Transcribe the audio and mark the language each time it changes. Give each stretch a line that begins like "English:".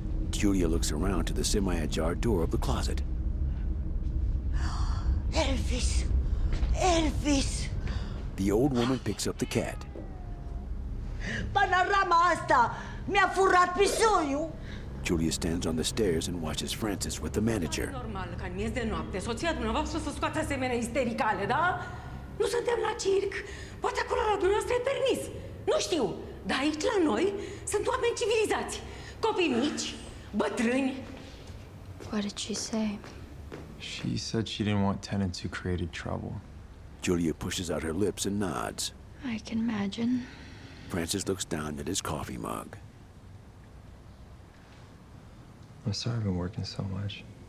English: Julia looks around to the semi-ajar door of the closet. Elvis! Elvis! The old woman picks up the cat.
Romanian: Panorama asta mi-a furat pisoiul!
English: Julia stands on the stairs and watches Francis with the manager.
Romanian: Normal, ca miez de noapte, soția dumneavoastră să scoate asemenea istericale, da? Nu suntem la circ. Poate acolo la dumneavoastră e permis. Nu știu. Dar aici, la noi, sunt oameni civilizați. Copii mici, bătrâni.
English: What did she say? She said she didn't want tenants who created trouble. Julia pushes out her lips and nods. I can imagine. Francis looks down at his coffee mug. I'm sorry I've been working so much.